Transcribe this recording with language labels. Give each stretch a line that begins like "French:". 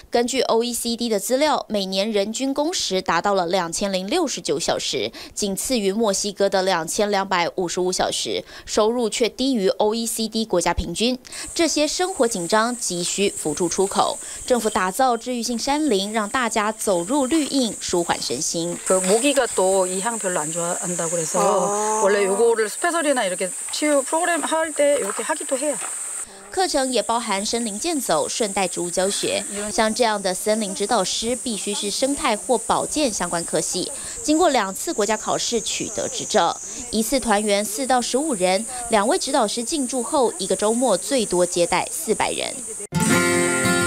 Chinese: 根据 OECD 的资料，每年人均工时达到了2069小时，仅次于墨西哥的2255小时，收入却低于 OECD 国家平均。这些生活紧张，急需辅助出口。政府打造治愈性山林，让大家走入绿荫，舒缓身心。
Korean: 그모기가또이향별로안좋아한다고그래서원래이거를스페셜이나이렇게치유프로그램할때이렇게하기도해요
Chinese: 课程也包含森林健走，顺带植物教学。像这样的森林指导师必须是生态或保健相关科系，经过2次国家考试取得执照。一次团员4到15人，两位指导师进驻后，一个周末最多接待400人。